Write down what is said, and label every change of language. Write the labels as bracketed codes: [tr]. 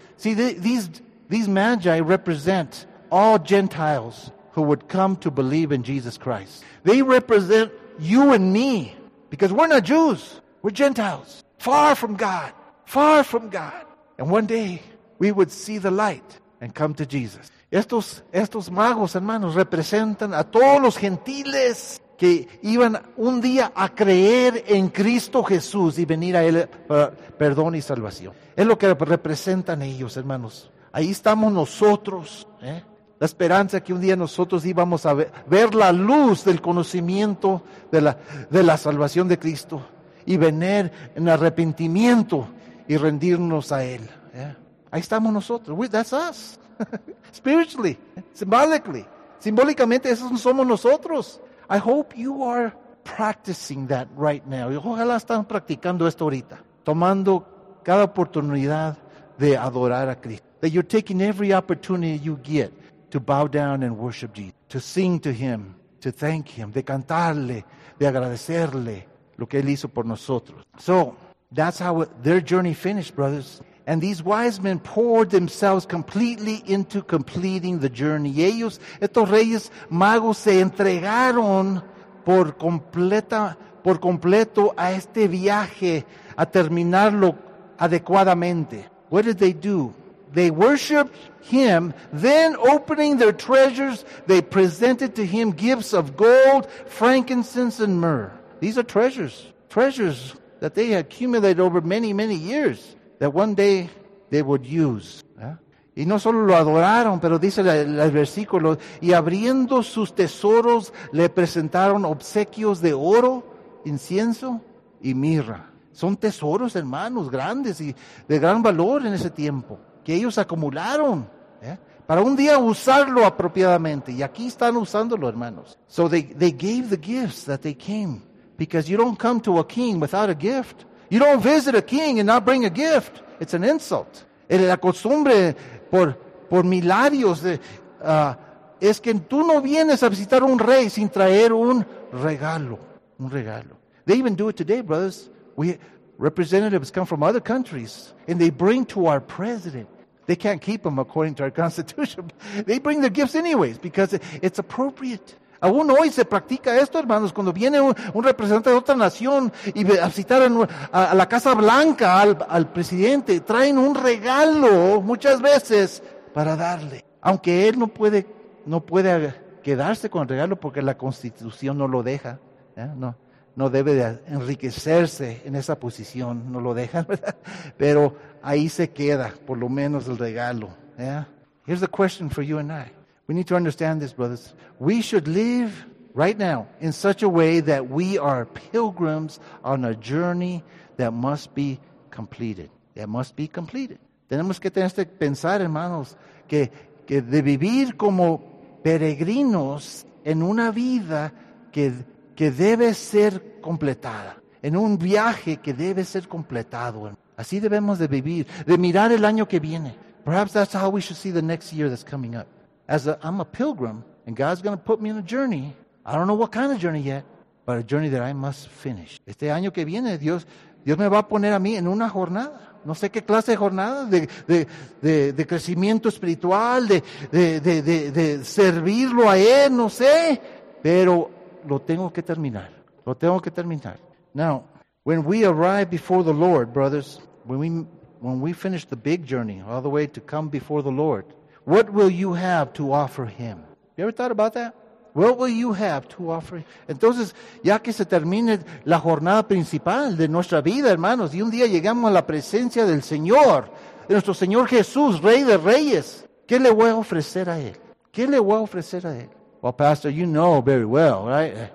[en] See, these magi represent all Gentiles who would come to believe in Jesus Christ. They represent you and me. Because we're not Jews. We're Gentiles. Far from God. Far from God. And one day, we would see the light and come to Jesus. [es] Estos magos, hermanos, representan a todos los gentiles que iban un día a creer en Cristo Jesús y venir a Él para perdón y salvación. Es lo que representan ellos, hermanos. Ahí estamos nosotros, ¿eh? La esperanza que un día nosotros íbamos a ver la luz del conocimiento de la salvación de Cristo y venir en arrepentimiento y rendirnos a Él. ¿Eh? Ahí estamos nosotros. [en] That's us. Spiritually, symbolically, [es] simbólicamente esos somos nosotros. [en] I hope you are practicing that right now. [es] Ojalá están practicando esto ahorita, tomando cada oportunidad de adorar a Cristo. [en] That you're taking every opportunity you get to bow down and worship Jesus, to sing to Him, to thank Him, [es] de cantarle, de agradecerle lo que Él hizo por nosotros. [en] So that's how their journey finished, brothers. And these wise men poured themselves completely into completing the journey. [es] Ellos, estos reyes magos, se entregaron por completo a este viaje, a terminarlo adecuadamente. [en] What did they do? They worshiped him. Then, opening their treasures, they presented to him gifts of gold, frankincense, and myrrh. These are treasures that they accumulated over many, many years. That one day they would use. ¿Eh? [es] Y no solo lo adoraron, pero dice el versículo, y abriendo sus tesoros, le presentaron obsequios de oro, incienso y mirra. Son tesoros, hermanos, grandes y de gran valor en ese tiempo, que ellos acumularon, ¿eh? Para un día usarlo apropiadamente. Y aquí están usándolo, hermanos. [en] So they gave the gifts that they came. Because you don't come to a king without a gift. You don't visit a king and not bring a gift. It's an insult. [es] La costumbre por milarios es que tú no vienes a visitar un rey sin traer un regalo. Un regalo. [en] They even do it today, brothers. We representatives come from other countries and they bring to our president. They can't keep them according to our constitution. They bring their gifts anyways because it's appropriate. [es] Aún hoy se practica esto, hermanos, cuando viene un representante de otra nación y a visitar a la Casa Blanca, al presidente, traen un regalo muchas veces para darle. Aunque él no puede quedarse con el regalo porque la Constitución no lo deja. ¿Eh? No debe de enriquecerse en esa posición, no lo deja, ¿verdad? Pero ahí se queda, por lo menos el regalo. [en] ¿Eh? Here's the question for you and I. We need to understand this, brothers. We should live right now in such a way that we are pilgrims on a journey that must be completed. That must be completed. [es] Tenemos que tener este pensar, hermanos, que de vivir como peregrinos en una vida que que debe ser completada, en un viaje que debe ser completado. Así debemos de vivir, de mirar el año que viene. [en] Perhaps that's how we should see the next year that's coming up. I'm a pilgrim, and God's going to put me on a journey. I don't know what kind of journey yet, but a journey that I must finish. [es] Este año que viene, Dios me va a poner a mí en una jornada. No sé qué clase de jornada, de crecimiento espiritual, de servirlo a Él, no sé. Pero lo tengo que terminar. Lo tengo que terminar. [en] Now, when we arrive before the Lord, brothers, when we finish the big journey, all the way to come before the Lord, what will you have to offer Him? You ever thought about that? What will you have to offer Him? [es] Entonces, ya que se termine la jornada principal de nuestra vida, hermanos, y un día llegamos a la presencia del Señor, de nuestro Señor Jesús, Rey de Reyes, ¿qué le voy a ofrecer a Él? ¿Qué le voy a ofrecer a Él? [en] Well, Pastor, you know very well, right?